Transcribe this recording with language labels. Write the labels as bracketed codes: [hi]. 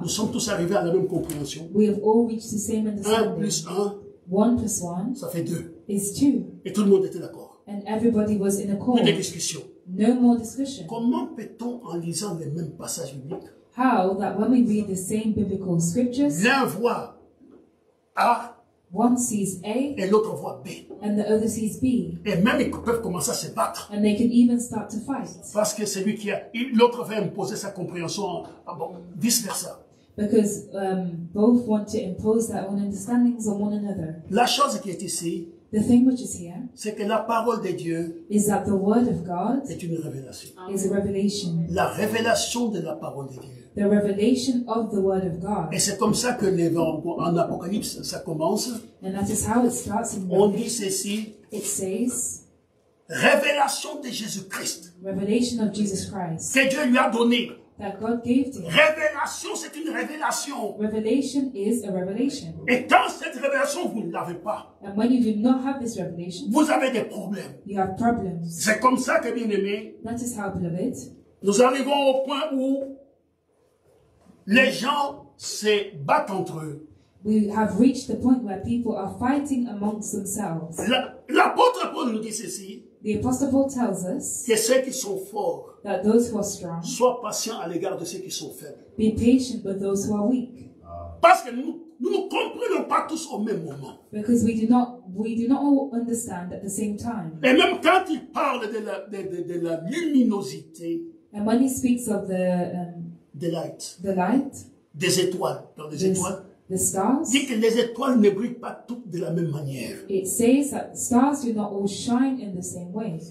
[fr] Nous sommes tous arrivés à la même compréhension. [en] We have all reached the same understanding. [fr] 1 plus 1, [en] 1 plus 1, [fr] ça fait 2. [en] Is 2. [fr] Et tout le monde était d'accord. [en] And everybody was in accord. [fr] Plus de discussion. [en] No more discussion. [fr] Comment peut-on, en lisant les mêmes passages bibliques, [en] how that when we read the same biblical scriptures, [fr] l'un voit A, [en] one sees A, [fr] et l'autre voit B, [en] and the other sees B, [fr] et même ils peuvent commencer à se battre, [en] and they can even start to fight, [fr] parce que c'est lui qui a, l'autre veut imposer sa compréhension, bon, vice versa, [en] because both want to impose their own understandings on one another. [fr] La chose qui est ici, [en] the thing which is here, [fr] c'est que la parole de Dieu, [en] is that the word of God, [fr] est une révélation, [en] is a revelation, [fr] la révélation de la parole de Dieu. [en] The revelation of the word of God. [fr] Et c'est comme ça que en Apocalypse ça commence. [en] And that is how it starts in [fr] Revelation. On dit ceci. [en] It says, [fr] révélation de Jésus-Christ. [en] Revelation of Jesus Christ. [fr] Que Dieu lui a donné. [en] That God gave to him. [fr] Révélation, c'est une révélation. [en] Revelation is a revelation. [fr] Et quand cette révélation, vous ne l'avez pas. [en] And when you do not have this revelation, [fr] vous avez des problèmes. [en] You have problems. [fr] C'est comme ça que, bien-aimé, [en] that is how, beloved, [fr] nous arrivons au point où les gens se battent entre eux. [en] We have reached the point where people are fighting amongst themselves. [fr] L'apôtre Paul nous dit ceci. [en] The apostle Paul tells us [fr] que ceux qui sont forts, [en] that those who are strong, [fr] soient patients à l'égard de ceux qui sont faibles. [en] Be patient with those who are weak. [fr] Parce que nous ne comprenons pas tous au même moment. [en] Because we do not all understand at the same time. [fr] Et même quand il parle de la luminosité, [en] and when he speaks of the The light. [fr] Des étoiles. Dans les étoiles. [en] The stars. [fr] Dit que les étoiles ne brillent pas toutes de la même manière. [en] It says that stars do not all shine in the same way.